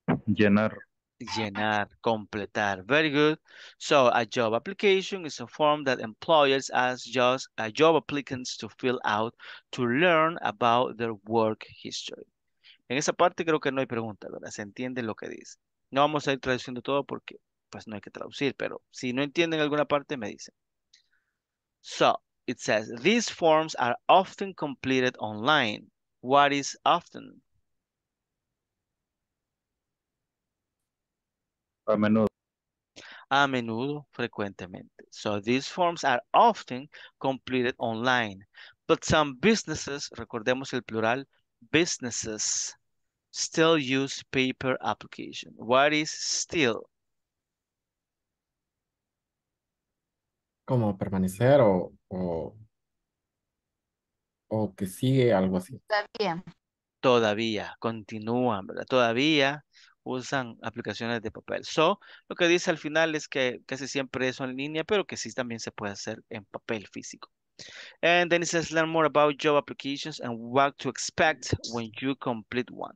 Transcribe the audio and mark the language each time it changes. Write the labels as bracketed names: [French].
[Spanish] Llenar, completar. [English] Very good. So a job application is a form that employers ask job applicants to fill out to learn about their work history. [Spanish] En esa parte creo que no hay pregunta, ¿verdad? Se entiende lo que dice. No vamos a ir traduciendo todo porque pues no hay que traducir, pero si no entienden alguna parte, me dicen. [English] So, it says, these forms are often completed online. What is often? [Spanish] A menudo, frecuentemente. [English] So, these forms are often completed online. But some businesses, [Spanish] recordemos el plural, [English] businesses still use paper application. What is still? [Spanish] Como permanecer o que sigue algo así. Todavía, continúan, ¿verdad? Todavía usan aplicaciones de papel. [English] So, [Spanish] lo que dice al final es que casi siempre eso en línea, pero que sí también se puede hacer en papel físico. [English] And then it says, learn more about job applications and what to expect when you complete one.